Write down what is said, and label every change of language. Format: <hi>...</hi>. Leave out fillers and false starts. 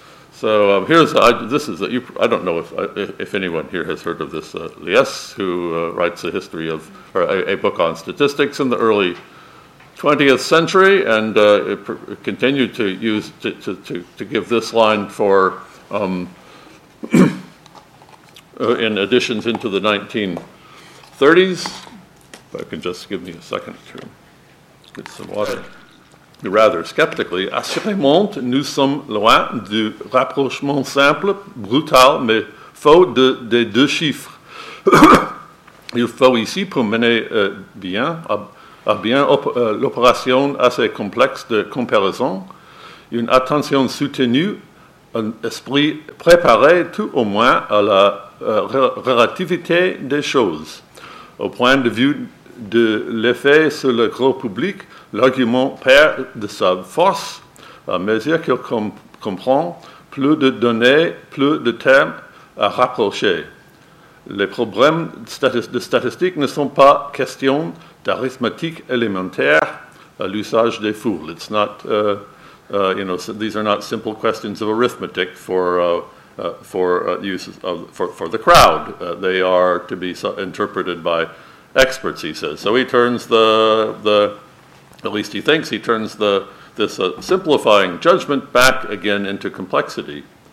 <en>So I don't know if anyone here has heard of this Lies, who writes a history of or a book on statistics in the early 20th century, and continued to use to give this line for in additions into the 1930s. If I can just give me a second to get some water. Rather skeptically,</en> <fr>assurément, nous sommes loin du rapprochement simple, brutal, mais faux de deux chiffres. Il faut ici pour mener l'opération assez complexe de comparaison, une attention soutenue, un esprit préparé tout au moins à la relativité des choses. Au point de vue de l'effet sur le gros public, l'argument perd de sa force à mesure qu'il comprend plus de données, plus de termes à rapprocher. Les problèmes de statistique ne sont pas question d'arithmétique élémentaire à l'usage des foules.</fr> <en>It's not, these are not simple questions of arithmetic for the crowd. They are to be interpreted by experts, he says. So he turns this simplifying judgment back again into complexity.</en>